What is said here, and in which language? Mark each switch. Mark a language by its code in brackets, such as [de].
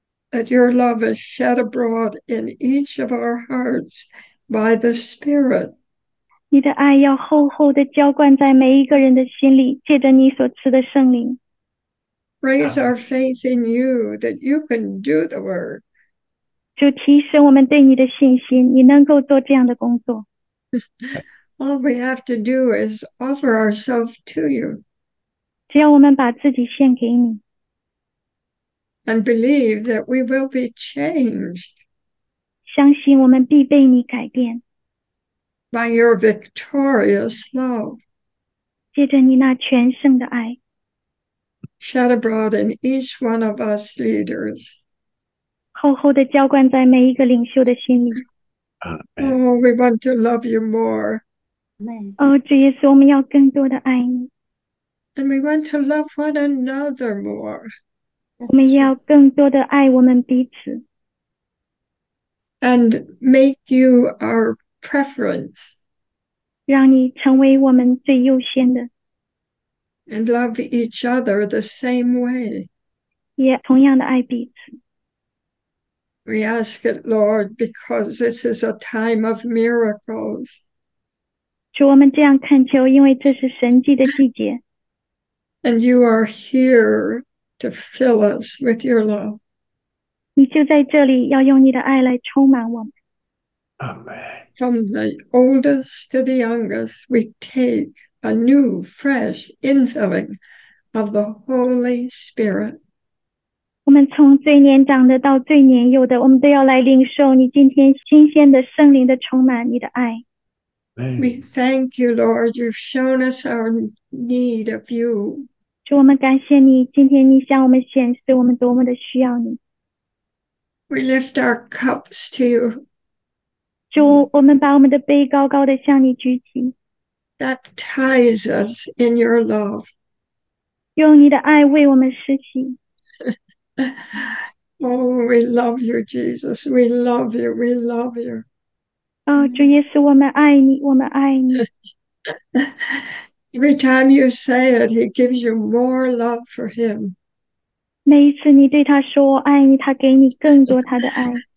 [en] That your love is shed abroad in each of our hearts by the Spirit. [zh] 你的爱要厚厚的浇灌在每一个人的心里，借着你所赐的圣灵。 [en] Raise our faith in you that you can do the work. [zh] 就提升我们对你的信心，你能够做这样的工作。 [en] All we have to do is offer ourselves to you. [zh] 只要我们把自己献给你。 [en] And believe that we will be changed [zh] 相信我们必被你改变。 [en] by your victorious love. [zh] 借着你那全盛的爱， [en] Shed abroad in each one of us leaders. [zh] 厚厚的浇灌在每一个领袖的心里。 [en] Amen. Oh, we want to love you more. Amen。 [zh] 哦，主耶稣，我们要更多的爱你。 [en] And we want to love one another more. That's [zh] 我们 [en] true。 [zh] 要更多的爱我们彼此。 [en] And make you our preference. [zh] 让你成为我们最优先的， [en] And love each other the same way. [zh] 也同样的爱彼此。 [en] We ask it, Lord, because this is a time of miracles. [zh] 主，我们这样恳求，因为这是神迹的季节。 [en] And you are here to fill us with your love. [zh] 你就在这里，要用你的爱来充满我们。 [en] Amen. From the oldest to the youngest, we take a new, fresh infilling of the Holy Spirit. [zh] 我们从最年长的到最年幼的，我们都要来领受你今天新鲜的圣灵的充满，你的爱。 [en] We thank you, Lord. You've shown us our need of you. [zh] 主，我们感谢你，今天你向我们显示我们多么的需要你。 [en] We lift our cups to [zh] 主，我们把我们的杯高高的向你举起。 [en] Baptize us in your love. [zh] 用你的爱为我们施洗。 [en] Oh, we love you, Jesus. We love you. We love you. [zh] 哦，主耶稣，我们爱你，我们爱你。 [en] Every time you say it, he gives you more love for him. [zh] 每一次你对他说"我爱你"，他给你更多他的爱。